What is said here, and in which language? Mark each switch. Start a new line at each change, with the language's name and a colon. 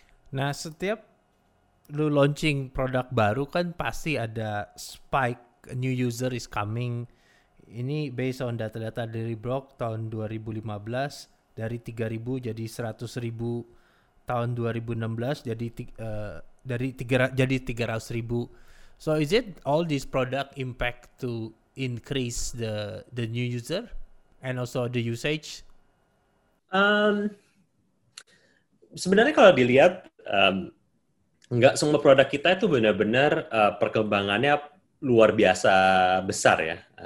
Indonesian: Nah, setiap lu launching produk baru kan pasti ada spike,
English: a new user is coming.
Indonesian: Ini based on data-data dari Block tahun 2015, dari 3.000 jadi 100.000 tahun 2016, jadi 300.000.
English: So is it all this product impact to increase the new user and also the usage?
Indonesian: Sebenarnya kalau dilihat, nggak semua produk kita itu benar-benar perkembangannya luar biasa besar ya.